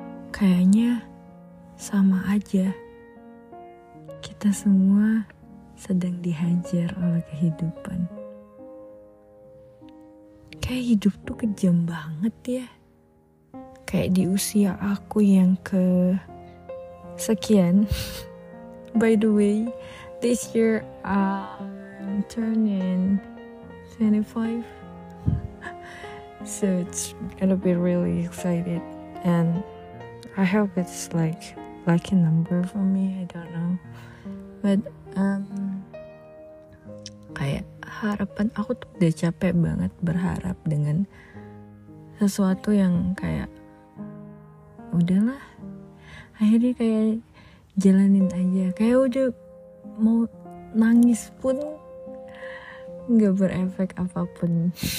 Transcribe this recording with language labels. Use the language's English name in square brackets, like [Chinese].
[Indonesian] Kayaknya sama aja. Kita semua sedang dihajar oleh kehidupan. Kayak hidup tuh kejam banget ya. Kayak di usia aku yang ke sekian. [English] By the way, this year I'm turning 25. So it's gonna be really excited. And I hope it's like lucky number for me, I don't know. [Indonesian] But kayak harapan aku tuh udah capek banget berharap dengan sesuatu yang kayak udahlah. Akhirnya kayak jalanin aja. Kayak udah mau nangis pun gak berefek apapun.